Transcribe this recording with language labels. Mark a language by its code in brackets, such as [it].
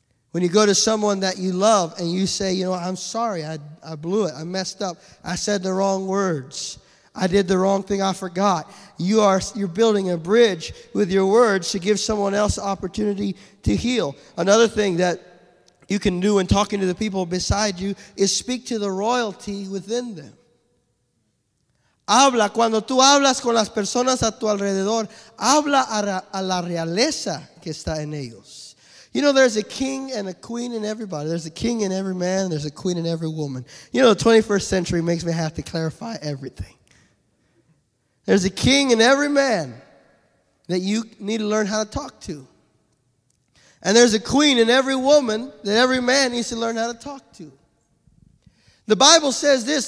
[en] When you go to someone that you love and you say, you know, I'm sorry, I blew it, I messed up, I said the wrong words, I did the wrong thing, I forgot. You're building a bridge with your words to give someone else the opportunity to heal. Another thing that you can do when talking to the people beside you is speak to the royalty within them. [es] Habla, cuando tú hablas con las personas a tu alrededor, habla a la realeza que está en ellos. [en] You know, there's a king and a queen in everybody. There's a king in every man. There's a queen in every woman. You know, the 21st century makes me have to clarify everything. There's a king in every man that you need to learn how to talk to. And there's a queen in every woman that every man needs to learn how to talk to. The Bible says this.